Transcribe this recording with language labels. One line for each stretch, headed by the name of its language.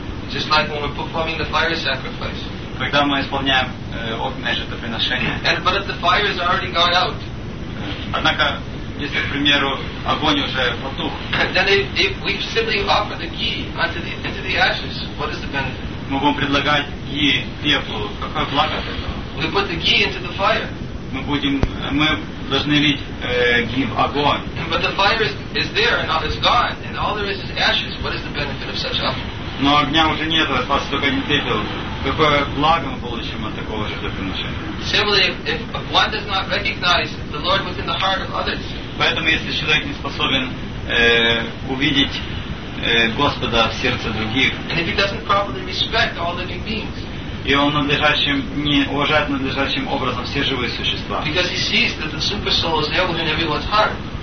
English: Just like when we're performing the fire sacrifice.
Russian: Когда мы исполняем огненное жертвоприношение.
English: And but if the fire has already gone out.
Russian: Однако если, к примеру, огонь уже потух.
English: Then if we simply offer the ghee into the ashes, what is the benefit?
Russian: Мы будем предлагать ghee пеплу. Какое благо от этого?
English: We put the ghee into the fire.
Russian: Мы должны лить ghee в огонь.
English: But the fire is there and all is gone and all there is ashes. What is the benefit of such offering?
Russian: Но огня уже нет, остался только не пепел. Какое благо мы получим от такого жертвоприношения?
English: Similarly, if one does not recognize the Lord within the heart of others,
Russian: поэтому если человек не способен увидеть Господа в сердце других,
English: and if he doesn't properly respect all living beings,
Russian: и он не уважает надлежащим образом все живые существа,
English: because he sees that the super soul is there within everyone's heart,